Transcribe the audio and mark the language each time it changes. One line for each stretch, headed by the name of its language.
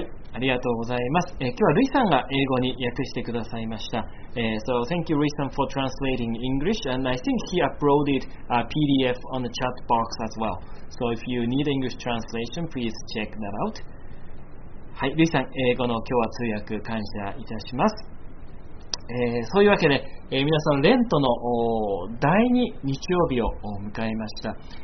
Japanese: ありがとうございます。今日はルイさんが英語に訳してくださいました。
English: So thank you, Ruisan, for translating English. And I think he uploaded a PDF on the chat box as well. So if you need English translation, please check that out.
Japanese: はい、ルイさん、英語の今日は通訳感謝いたします。そういうわけで、皆さん、レントの第2日曜日を迎えました。